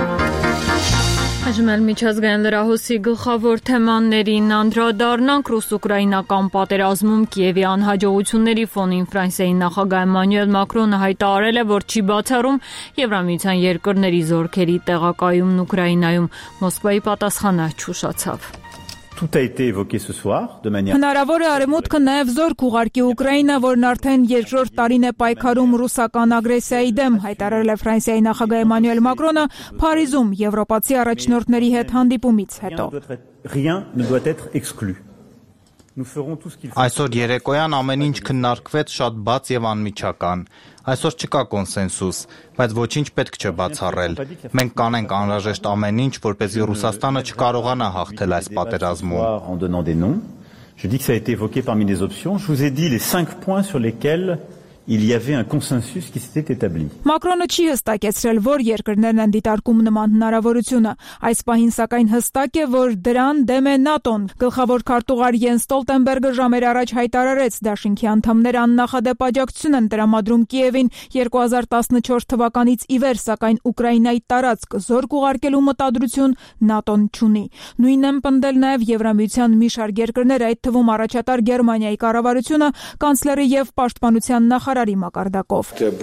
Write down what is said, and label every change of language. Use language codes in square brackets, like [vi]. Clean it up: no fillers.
[hy] Հայ-ժամանակ միջազգային լրահոսի գլխավոր թեմաներին անդրադառնանք ռուս-ուկրաինական պատերազմում Կիևի անհաջողությունների ֆոնին Ֆրանսիայի նախագահ Էմանուել Մակրոնը հայտարարել է, որ չի բացառում Եվրամիության երկրների զորքերի տեղակայումն Ուկրաինայում։ Մոսկվայի պատասխանը չուշացավ։ [fr] Tout a été évoqué ce soir de manière [hy] Հնարավոր է արևմուտքը նաև զորք ուղարկի Ուկրաինա, որն արդեն երկրորդ տարին է պայքարում ռուսական ագրեսիայի դեմ, հայտարարել է Ֆրանսիայի նախագահ Էմանուել Մակրոնը Փարիզում եվրոպացի առաջնորդների հետ հանդիպումից հետո։ [fr] Rien ne doit être exclu. Nous ferons tout ce qu'il faut. [hy] Այսօր երեկոյան ամեն ինչ քննարկվեց շատ բաց եւ անմիջական։ Այսօր չկա կոնսենսուս, բայց ոչինչ պետք չէ բացառել։ Մենք կանենք անհրաժեշտ ամեն ինչ, որպեսզի Ռուսաստանը չկարողանա հաղթել այս պատերազմում։ [fr] Je dis que ça a été évoqué parmi les options, je vous ai dit les 5 points sur lesquels il y avait un consensus qui s'était établi. [hy] Մակրոնը չի հստակեցրել, որ երկրներն են դիտարկում նման հնարավորությունը, այս պահին սակայն հստակ է, որ դրան դեմ է ՆԱՏՕ-ն։ Գլխավոր քարտուղար Յենս Ստոլտենբերգը ժամեր առաջ հայտարարեց, Դաշինքի անդամները աննախադեպ աջակցություն են տրամադրում Կիևին 2014 թվականից ի վեր, սակայն Ուկրաինայի տարածք զորք ուղարկելու մտադրություն ՆԱՏՕ-ն չունի։ Նույնն են պնդել նաև Եվրամիության մի շարք երկրներ, այդ թվում առաջատար Գերմանիայի կառավարությունը, կանցլերի և պաշտպանության նախարարի մակարդակով։